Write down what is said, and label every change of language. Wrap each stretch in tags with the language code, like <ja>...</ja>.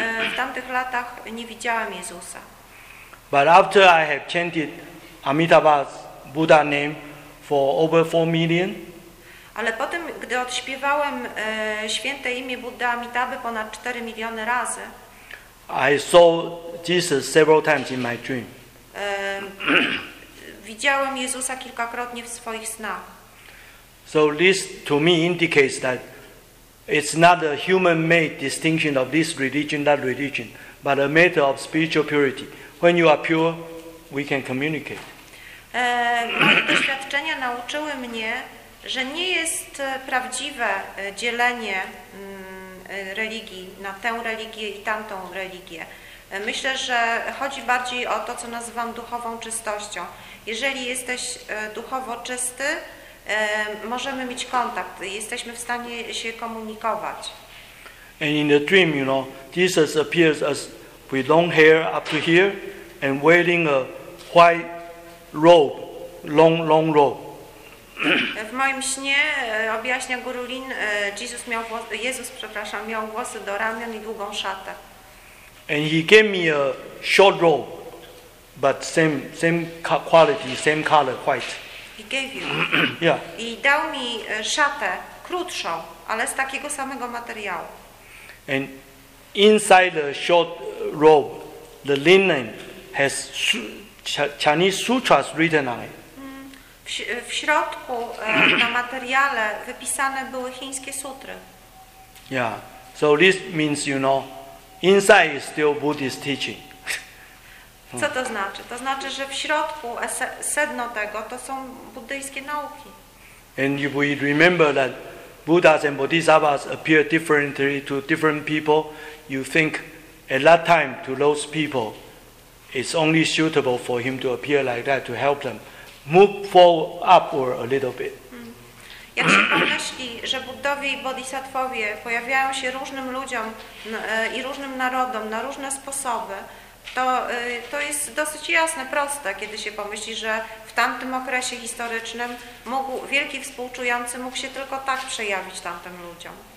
<pl>W tamtych latach nie widziałem Jezusa.</pl> <en>But after I have chanted Amitabha's Buddha name for over 4 million.</en> <pl>Ale potem, gdy odśpiewałem święte imię Buddha Amitabha ponad 4 miliony razy,</pl> <en>I saw Jesus several times in my dream.</en> <pl>Widziałem Jezusa kilkakrotnie w swoich snach.</pl> <en>So this to me indicates that it's not a human-made distinction of this religion, that religion, but a matter of spiritual purity. When you are pure, we can communicate.</en> <pl>Moje doświadczenia nauczyły mnie, że nie jest prawdziwe dzielenie religii na tę religię i tamtą religię. Myślę, że chodzi bardziej o to, co nazywam duchową czystością. Jeżeli jesteś duchowo czysty, możemy mieć kontakt, jesteśmy w stanie się komunikować.</pl> <en>And in the dream, you know, Jesus appears as with long hair up to here and wearing a white robe, long robe.</en> <pl>W moim śnie, objaśnia Guru Lin, Jezus miał włosy do ramion i długą szatę.</pl> <en>And he gave me a short robe, but same quality, same color, white. He gave you. Yeah.</en> <pl>I dał mi szatę krótszą, ale z takiego samego materiału.</pl> <en>And inside the short robe, the linen has Chinese sutras written on it.</en> <pl>W środku, na materiale, wypisane były chińskie sutry.</pl> <en>Yeah, so this means, you know, inside is still Buddhist teaching.</en> <pl>Co to znaczy? To znaczy, że w środku, sedno tego, to są buddyjskie nauki.</pl> <en>And if we remember that Buddhas and Bodhisattvas appear differently to different people, you think at that time to those people, it's only suitable for him to appear like that to help them. Move forward upward a little bit.</en> <pl>Jak się pomyśli, że buddowie i bodhisattwowie pojawiają się różnym ludziom i różnym narodom na różne sposoby, to jest dosyć jasne, proste, kiedy się pomyśli, że w tamtym okresie historycznym mógł, wielki współczujący mógł się tylko tak przejawić tamtym ludziom.</pl>